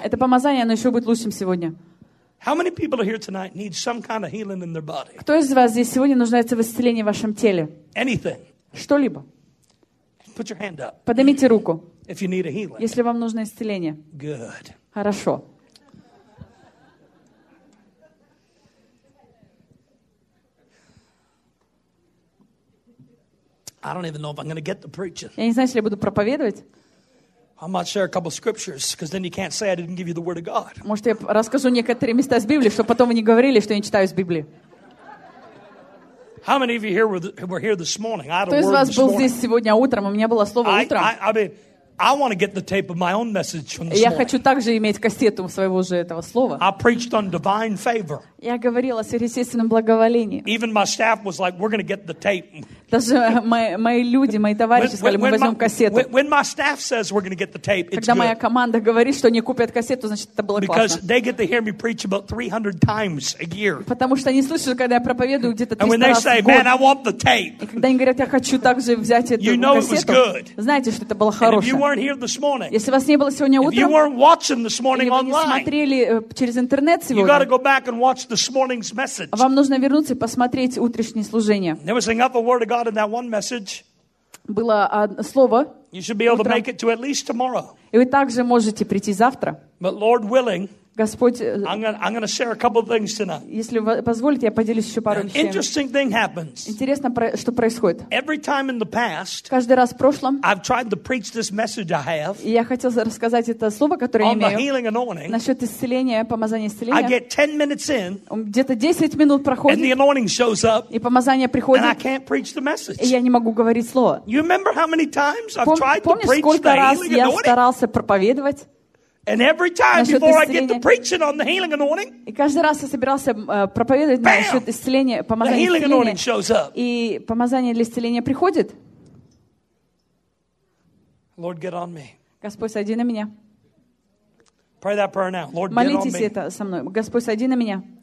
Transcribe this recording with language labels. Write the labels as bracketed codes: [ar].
[ru] Это помазание, оно еще будет лучшим сегодня. [en] How many people are here tonight need some kind of healing in their body? [ru] Кто из вас здесь сегодня нуждается в исцелении в вашем теле? [en] Anything. [ru] Что-либо. [en] Put your hand up. [ru] Поднимите руку. [en] If you need a healing. [ru] Если вам нужно исцеление. [en] Good. [ru] Хорошо. [en] I don't even know if I'm going to get the preaching. [ru] Я не знаю, если я буду проповедовать. [en] I might share a couple of scriptures, because then you can't say I didn't give you the word of God. [ru] Может, я расскажу некоторые места из Библии, чтобы потом вы не говорили, что я не читаю из Библии. [en] How many of you here were here this morning? [ru] Кто из вас был здесь сегодня утром? У меня было слово утром. [en] I want to get the tape of my own message from this morning. [ru] Я хочу также иметь кассету своего же этого слова. [en] I preached on divine favor. [ru] Я говорила о сверхъестественном благоволении. [en] Even my staff was like, "We're going to get the tape." [ru] Даже мои люди, мои товарищи сказали, мы возьмем кассету. [en] When my staff says we're going to get the tape, it's good. [ru] Когда моя команда говорит, что они купят кассету, значит, это было классно. [en] Because they get to hear me preach about 300 times a year. [ru] Потому что они слышат, когда я проповедую где-то 300 раз в год. [en] And when they say, "Man, I want the tape," [ru] и когда они говорят, я хочу также взять эту кассету, [en] you know it was good. [ru] Знаете, что это было хорошее. Если вас не было сегодня утром, [en] if you weren't watching this morning online, [ru] или вы не смотрели через интернет сегодня, [en] you gotta go back and watch this morning's message. [ru] Вам нужно вернуться и посмотреть утреннее служение. [en] There was enough word of God in that one message. [ru] Было слово. [en] You should be able to make it to at least tomorrow. [ru] И вы также можете прийти завтра. [en] But Lord willing, [ru] Господь, [en] I'm gonna share a couple of things tonight. [ru] Если вы позволите, я поделюсь еще пару вещей. [en] Interesting thing happens. [ru] Интересно, что происходит. [en] Every time in the past, [ru] каждый раз в прошлом, [en] I've tried to preach this message I have. [ru] Я хотел рассказать это слово, которое имею. [en] On the healing anointing. [ru] Насчет исцеления, помазания исцеления. [en] I get 10 minutes in. [ru] Где-то 10 минут проходит. [en] And the anointing shows up. [ru] И помазание приходит. [en] And I can't preach the message. [ru] И я не могу говорить слово. [en] You remember how many times I've tried to preach the healing anointing? [ru] Помнишь, сколько раз я старался проповедовать? [en] And every time before I get to preaching on the healing anointing, [ru] и каждый раз я собирался проповедовать на счет исцеления, помазания исцеления, [en] the healing anointing shows up. [ru] И помазание для исцеления приходит. [en] Lord, get on me. [ru] Господь, сойди на меня. [en] Pray that prayer now. Lord, [ru] молитесь это со мной. Господь, сойди на меня.